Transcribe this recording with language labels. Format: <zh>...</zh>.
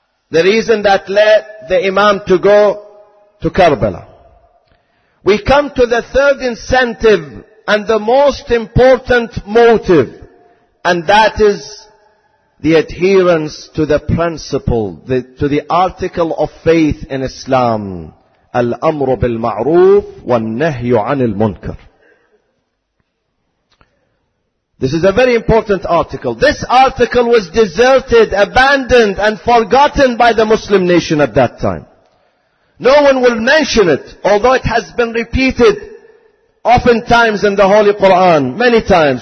<en>The reason that led the Imam to go to Karbala. We come to the third incentive and the most important motive, and that is the adherence to the principle, to the article of faith in Islam.</en> <ar>الأمر بالمعروف والنهي عن المنكر.</ar> <en>This is a very important article. This article was deserted, abandoned and forgotten by the Muslim nation at that time. No one will mention it, although it has been repeated oftentimes in the Holy Quran, many times.</en>